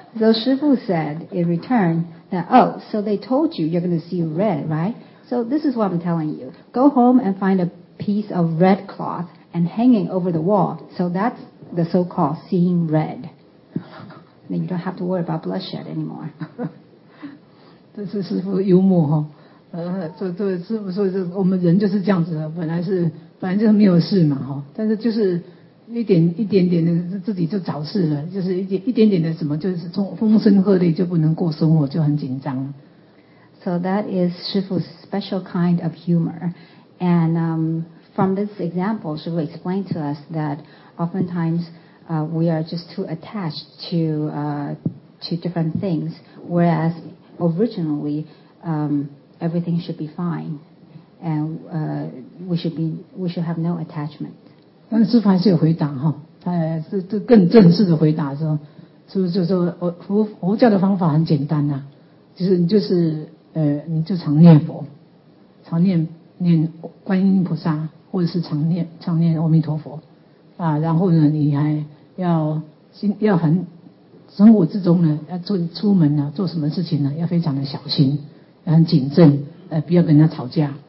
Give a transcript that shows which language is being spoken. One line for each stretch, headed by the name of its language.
English: So 师父 said in return that, oh, so they told you you're going to see red, right? So this is what I'm telling you. Go home and find a piece of red cloth and hanging over the wall. So that's the so-called seeing red. Then you don't have to worry about bloodshed anymore.
Chinese: 这是师父幽默齁、哦。师父说这我们人就是这样子的本来是反正就是没有事嘛齁但是就是一点点的自己就找事了就是一点点的什么就是从风声鹤唳就不能过生活就很紧张。
English: So that is 师父 special kind of humor. And, from this example, 师父 explained to us that oftentimes, we are just too attached to different things. Whereas originally, everything should be fine. And, we should have no attachment.
Chinese: 但师父还是有回答齁他这更正式的回答说是不是就是说佛教的方法很简单啊就是你就常念佛常念观音菩萨或者是常念阿弥陀佛啊然后呢你还要很生活之中呢要出门呢做什么事情呢要非常的小心要很谨慎不要跟人家吵架。